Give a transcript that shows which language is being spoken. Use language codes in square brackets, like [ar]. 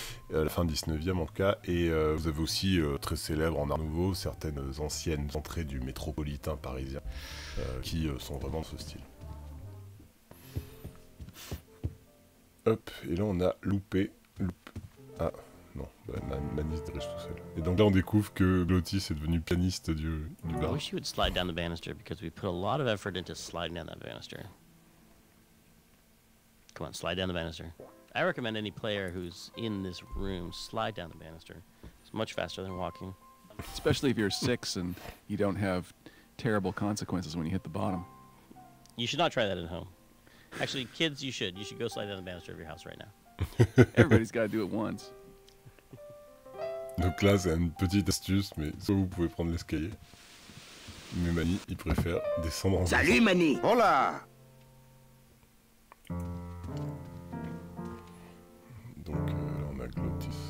[fr] À la fin 19e en tout cas. Et vous avez aussi, très célèbre en Art Nouveau, certaines anciennes entrées du métropolitain parisien qui sont vraiment de ce style. Hop, et là on a loupé. Ah. Non, Manny se dirige tout seul. Et donc là, on découvre que Glottis est devenu pianiste du bar. [en] I wish you would slide down the banister, because we put a lot of effort into sliding down that banister. Come on, slide down the banister. I recommend any player who's in this room slide down the banister. It's much faster than walking. Especially if you're six and you don't have terrible consequences when you hit the bottom. You should not try that at home. Actually, kids, you should. You should go slide down the banister of your house right now. Everybody's got to do it once. [fr] Donc là, c'est une petite astuce, mais soit vous pouvez prendre l'escalier. Mais Manny, il préfère descendre en bas. Salut Manny! [es] Hola! [fr] Donc là, on a Glottis.